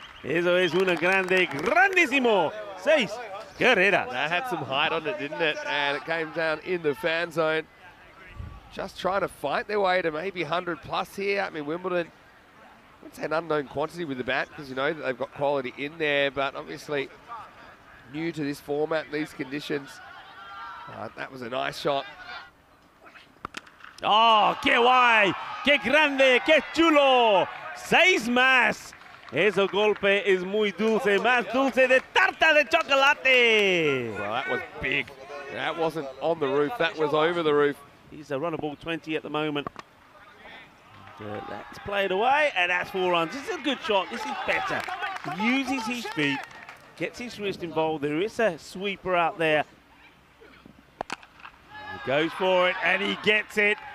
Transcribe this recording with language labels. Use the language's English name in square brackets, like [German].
[Spanish] Eso es una grande, grandísimo. Seis carreras. [English] That had some height on it, didn't it? And it came down in the fan zone. Just trying to fight their way to maybe 100 plus here. I mean, Wimbledon, I would say an unknown quantity with the bat because you know that they've got quality in there, but obviously new to this format, these conditions. That was a nice shot. [Spanish] Oh, que guay, que grande, que chulo. Seis más. Ese golpe es muy dulce, más dulce de tarta de chocolate. [English] Well, that was big. That wasn't on the roof, that was over the roof. He's a runner ball 20 at the moment. That's played away, and that's four runs. This is a good shot, this is better. He uses his feet. Gets his wrist involved. There is a sweeper out there. He goes for it and he gets it.